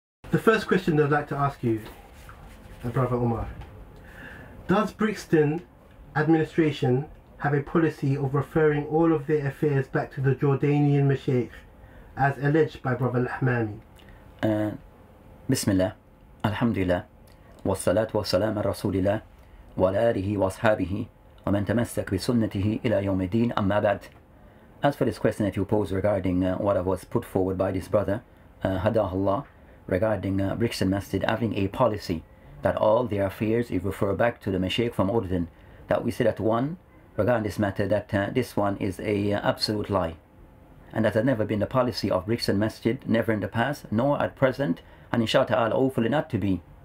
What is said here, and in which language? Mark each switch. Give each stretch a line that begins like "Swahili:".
English: The first question that I'd like to ask you, Brother Omar, does Brixton administration have a policy of referring all of their affairs back to the Jordanian Mashaykh, as alleged by Brother Lahmami?
Arabic: بسم الله الحمد لله والصلاة والسلام على رسول الله وعلى آله وصحابه ومن تمسك بسنته إلى يوم الدين أما بعد.
English: As for this question that you pose regarding what was put forward by this brother
Arabic: هداه الله
English: regarding Brixton Masjid having a policy that all their affairs if refer back to the Mashaykh from Urdun, that we say that one regarding this matter that this one is a absolute lie, and that has never been the policy of Brixton Masjid, never in the past, nor at present, and inshallah ta'ala, hopefully not to be.